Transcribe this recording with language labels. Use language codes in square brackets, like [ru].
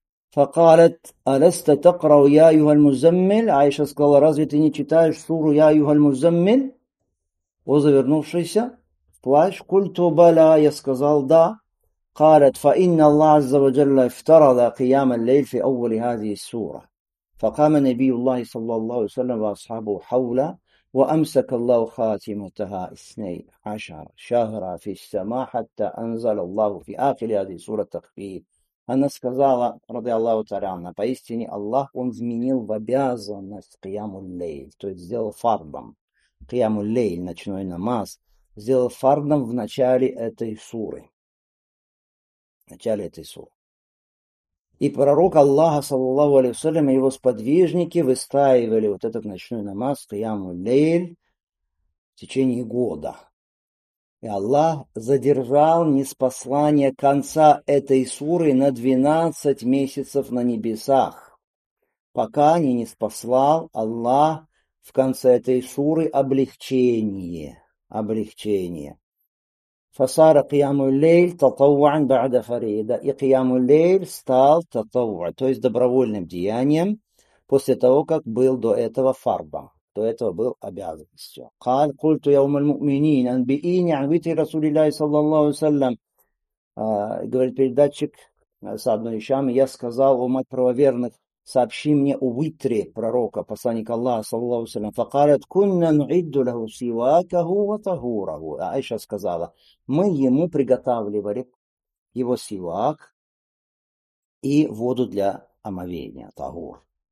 [ar] Факалет, алеста такрау я юхаль музаммиль. [ru] Айша сказала, разве ты не читаешь суру я юхаль музаммиль? О завернувшийся плащ. [ar] Культу баля, [ru] я сказал, да. [ar] Калет, фа инна Аллах, азза ва джалла, ифтарала кияма лейль фи аввали хазии сура. فقام النبي الله صلى الله عليه وسلم وأصحابه حوله وأمسك الله خاتمتها اثني عشر شهرا في السماء حتى أنزل الله في آخر هذه سورة التخفيف. [ru] Она сказала, [ar] رضي الله تعالى عنها, [ru] поистине Аллах, он изменил в обязанность قيام الليل, то есть сделал фардом. قيام الليل, ночной намаз, сделал фардом в начале этой суры. В начале этой суры. И пророк Аллаха, саллаллаху алейхи ва саллям, и его сподвижники выстаивали вот этот ночной намаз, кияму лейль, в течение года. И Аллах задержал ниспослание конца этой суры на 12 месяцев на небесах, пока не ниспослал Аллах в конце этой суры облегчение, облегчение. [ar] فصار قيام الليل تطوعا بعد فريضة [ru] и قيام الليل стал تطوع, то есть добровольным деянием после того, как был до этого фарбом, до этого был обязанностью. [ar] قال قلت يوم المؤمنين أنبئيني عن وتر رسول الله صلى الله عليه وسلم. [ru] Говорит передатчик Саад ибн Хишам, я сказал, о мать правоверных, сообщи мне о витре пророка, посланника Аллаха, саллаллаху алейхи ва саллям. [ar] كُنَّا نُعِدُّ لَهُ سِوَاكَهُ وَطَهُورَهُ. [ru] Айша сказала, мы ему приготавливали его сивак и воду для омовения, тагур.